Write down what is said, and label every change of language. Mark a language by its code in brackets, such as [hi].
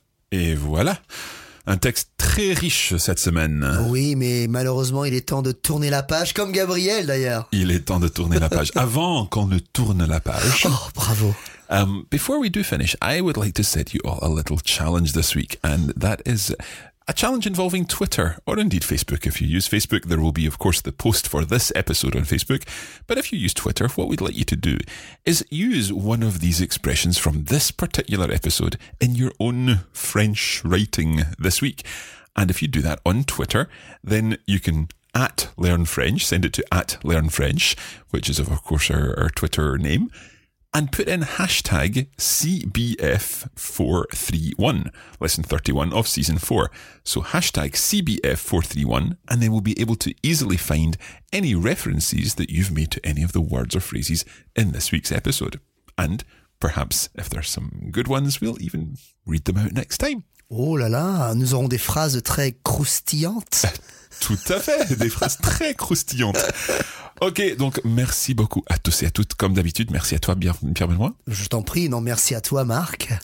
[fr] Et voilà, un texte très riche cette semaine. Oui, mais malheureusement, il est temps de tourner la page, comme Gabrielle d'ailleurs. Il est temps de tourner la page avant qu'on ne tourne la page. Oh, bravo. [en] Before we do finish, I would like to set you all a little challenge this week, and that is, A challenge involving Twitter, or indeed Facebook. If you use Facebook, there will be, of course, the post for this episode on Facebook. But if you use Twitter, what we'd like you to do is use one of these expressions from this particular episode in your own French writing this week. And if you do that on Twitter, then you can at Learn French, send it to at Learn French, which is, of course, our Twitter name, and put in hashtag CBF431, lesson 31 of season 4. So hashtag CBF431, and then we'll be able to easily find any references that you've made to any of the words or phrases in this week's episode. And perhaps if there's some good ones, we'll even read them out next time. [fr] Oh là là, nous aurons des phrases très croustillantes. Tout à fait, des phrases très croustillantes. Ok, donc merci beaucoup à tous et à toutes, comme d'habitude. Merci à toi, Pierre-Benoît. Je t'en prie, non, merci à toi, Marc.